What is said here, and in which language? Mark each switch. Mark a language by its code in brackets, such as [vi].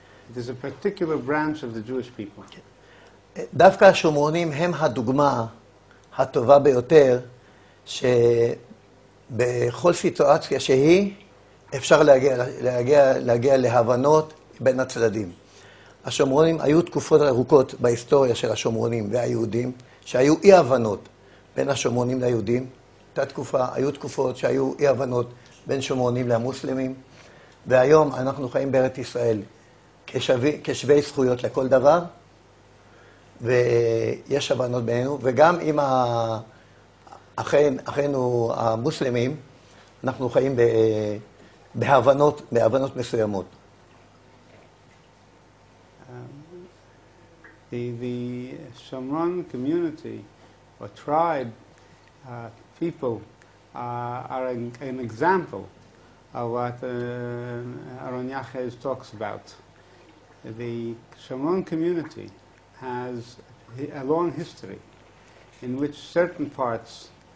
[en] It is a particular branch of the Jewish people. [he] דווקא השומרונים הם הדוגמה הטובה ביותר ש... בכל סיטואציה שהיא אפשר להגיע להבנות בין הצדדים. השומרונים היו תקופות ארוכות בהיסטוריה של השומרונים והיהודים שהיו אי הבנות בין השומרונים ליהודים. אותה תקופה היו תקופות שהיו אי הבנות בין שומרונים למוסלמים. והיום אנחנו חיים בארץ ישראל כשווי זכויות לכל דבר. ויש הבנות בינינו וגם עם ה... אחינו המוסלמים, אנחנו חיים בהבנות מסוימות. [en] The Shomron community, or tribe, people, are an example of what Aaron Yachez talks about. The Shomron community has a long history in which certain parts